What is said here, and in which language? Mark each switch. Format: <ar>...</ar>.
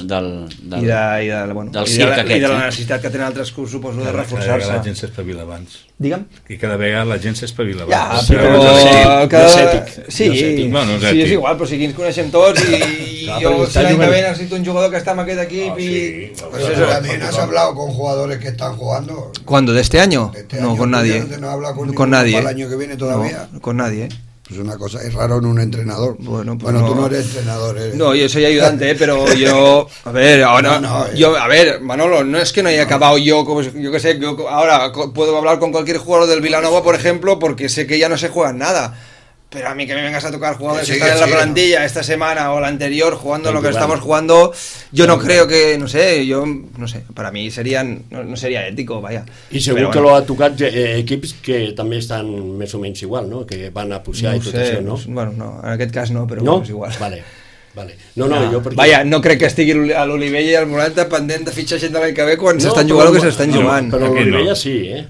<ca>del circ aquest. I de la necessitat que tenen altres clubs, suposo, de reforçar-se. Cada vegada la gent s'espavila abans. Digue'm? I cada vegada la gent s'espavila abans. Ja, però... No és ètic. Sí, no és ètic. Sí, és igual, però si aquí ens coneixem tots i jo si l'any que ve necessito un jugador que està en aquest equip i...</ca> <es>¿También has hablado con jugadores que están jugando? ¿Cuándo? ¿De este año? No, con nadie. No he hablado con nadie. ¿Para el año que viene todavía? Con nadie, es una cosa, es raro en un entrenador. Bueno, pues bueno, no. Tú no eres entrenador, ¿eh? No, yo soy ayudante, pero yo, a ver, ahora a ver, Manolo, no es que no haya acabado yo, como yo que sé, yo ahora puedo hablar con cualquier jugador del Vilanova, por ejemplo, porque sé que ya no se juega nada. Pero a mí que me vengas a tocar jugadores que están en la plantilla esta semana o la anterior jugando lo que estamos jugando, yo no creo que, no sé, yo no sé, para mí serían no sería ético, vaya.</es> <ca>Y seguro que lo ha tocat equips que també estan més o menys igual, no? Que van a pujar i tot això, no? Bueno, no, en aquest cas no, però bueno, és igual. Vale. Vale. No, jo perquè... Vaja, no crec que estigui a l'Olivella i al Molanta pendent de fitxar gent de l'any que ve quan s'estan jugant el que s'estan jugant. Però l'Olivella sí, eh?</ca>